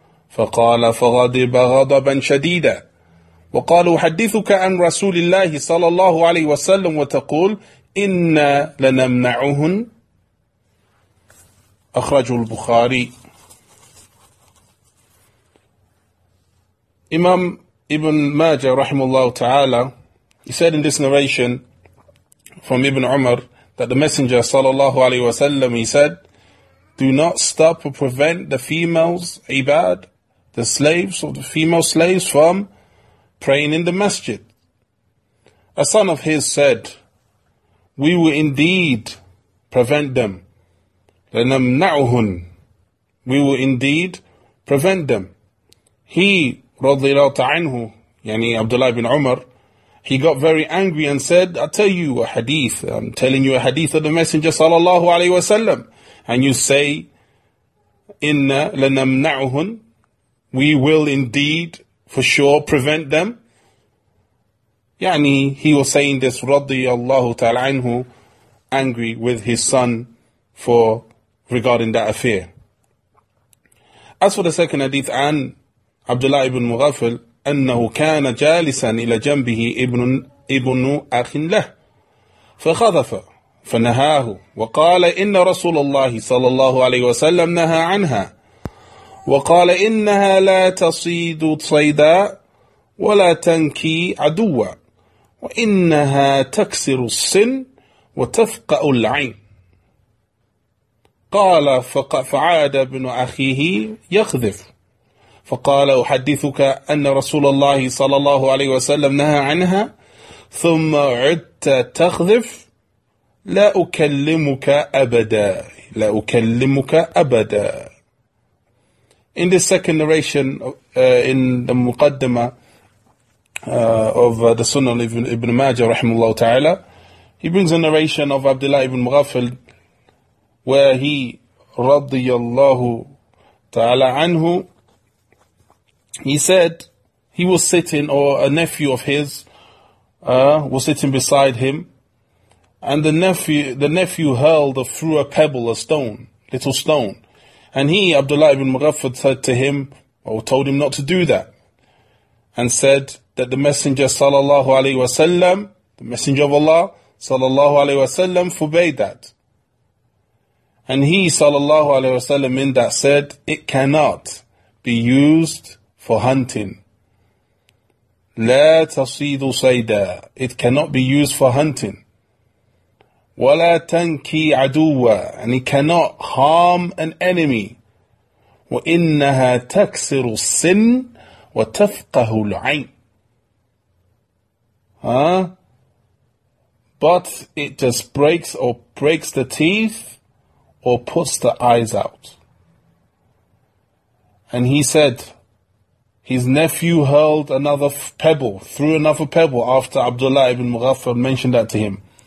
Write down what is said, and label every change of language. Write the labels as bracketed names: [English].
[Arabic] فقال فغضب غضبا شديدا وقال: أحدثك عن رسول الله صلى الله عليه وسلم وتقول إنا لنمنعهن؟ أخرجه البخاري. إمام ابن ماجه رحمه الله تعالى [English] he said in this narration from Ibn Umar that the Messenger sallallahu alaihi wasallam, he said, do not stop or prevent the females, ibad, the slaves or the female slaves from praying in the masjid. A son of his said, we will indeed prevent them. [Arabic] لَنَمْنَعُهُنْ [English] We will indeed prevent them. He, [Arabic] رضي الله تعالى, يعني [English] Abdullah ibn Umar, he got very angry and said, I'm telling you a hadith of the Messenger sallallahu alayhi wa sallam. And you say, [Arabic] Inna lanamna'uhun, [English] we will indeed for sure prevent them. Yani, he was saying this, radiyallahu ta'ala anhu, angry with his son for regarding that affair. As for the second hadith, an Abdullah ibn Mughafil, [Arabic] أنه كان جالسا إلى جنبه ابن أخ له فخذف فنهاه وقال إن رسول الله صلى الله عليه وسلم نهى عنها وقال إنها لا تصيد صيدا ولا تنكي عدوا وإنها تكسر السن وتفقأ العين. قال فعاد ابن أخيه يخذف فقال أحدثك أن رسول الله صلى الله عليه وسلم نهى عنها ثم عدت تخذف لا أكلمك أبدا لا أكلمك أبدا. [English] In this second narration in the Muqaddama of the Sunan of Ibn Majah rahimahullah ta'ala, he brings a narration of Abdullah ibn Mughafil where he radiyallahu ta'ala anhu, he said he was sitting, or a nephew of his was sitting beside him, and the nephew hurled or threw a pebble, a stone, little stone. And he, Abdullah ibn Mughaffar, said to him, or told him not to do that, and said that the Messenger sallallahu alayhi wasallam, the Messenger of Allah sallallahu alayhi wasallam, forbade that. And he sallallahu alayhi wasallam in that said, it cannot be used for hunting. [Arabic] لا تصيد صيدا. [English] It cannot be used for hunting. [Arabic] ولا تنكي عدوا. [English] And it cannot harm an enemy. [Arabic] وإنها تكسر السن وتفقه العين. [English] But it just breaks the teeth or puts the eyes out. And he said, his nephew hurled another pebble, threw another pebble after Abdullah ibn Mughaffar mentioned that to him.